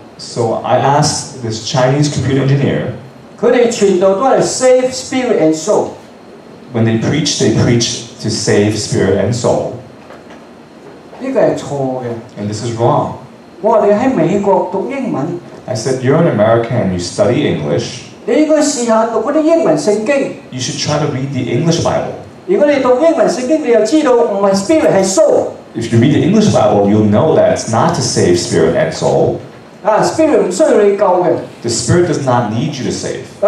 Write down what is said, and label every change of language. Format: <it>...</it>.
<en>So I asked this Chinese computer engineer,</en> <zh>他们全都是</zh> <en>save spirit and soul. When they preach to save spirit and soul.</en> <zh>这个是错的。</zh> <en>And this is wrong.</en> <zh>我说你在美国读英文。</zh> <en>I said, you're an American and you study English.</en> <zh>你应该试试读那些英文圣经。</zh> <en>You should try to read the English Bible.</en> <zh>如果你读英文圣经，你就知道不是 spirit 是 soul。</zh> <en>If you read the English Bible, you'll know that it's not to save spirit and soul.</en> <zh>Spirit 不需要你救的。</zh> <en>The spirit does not need you to save.</en>